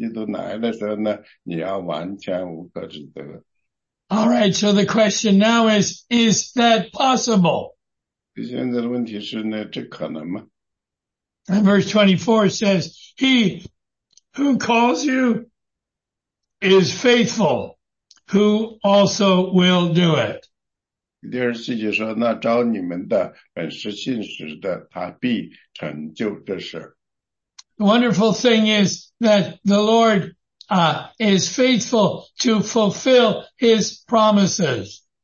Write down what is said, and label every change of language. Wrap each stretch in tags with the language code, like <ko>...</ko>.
<zh>这个呢,是非常令人鼓舞的一件事情。所以呢,你我呢,你为我们祷告,我们为你祷告,你自己为自己祷告。所以呢,就是说你从现在开始,直到我们主耶稣基督来的时候呢,你要完全无可指责。</zh> <en>All right, so the question now is that possible?</en> <zh>现在的问题是呢,这可能吗?</zh> <en>And verse 24 says, He who calls you is faithful, who also will do it.</en> <zh>第二十四节说,那招你们的,本是信实的,他必成就这事。</zh> <en>The wonderful thing is that the Lord is faithful to fulfill his promises.</en>